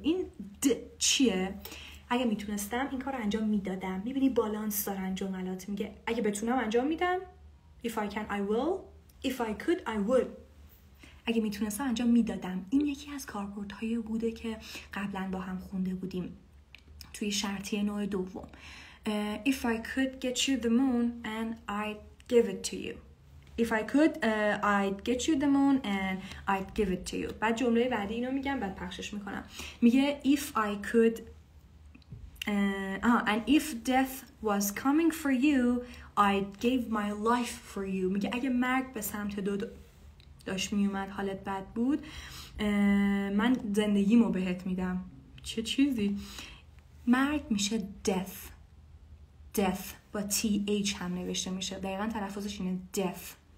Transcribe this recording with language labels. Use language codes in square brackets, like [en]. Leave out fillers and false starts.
[fa] این د چیه؟ اگه میتونستم این کار رو انجام میدادم. میبینی بالانس دارن جملات. میگه اگه بتونم انجام میدم، [en] If I can I will، If I could I would. [fa] اگه میتونستم انجام میدادم. این یکی از کاربردهای بوده که قبلا با هم خونده بودیم توی شرطی نوع دوم. [en] If I could get you the moon and I'd give it to you. If I could I'd get you the moon and I'd give it to you. [fa] بعد جمله بعدی اینو میگم، بعد پخشش میکنم. [en] میگه If I could and if death was coming for you, I gave my life for you. [fa] میگه اگه مرگ به سمت تو داشت میومد، حالت بد بود، من زندگیمو بهت میدم. چه چیزی؟ مرگ میشه death. Death با TH هم نوشته میشه. دقیقا تلفظش اینه death.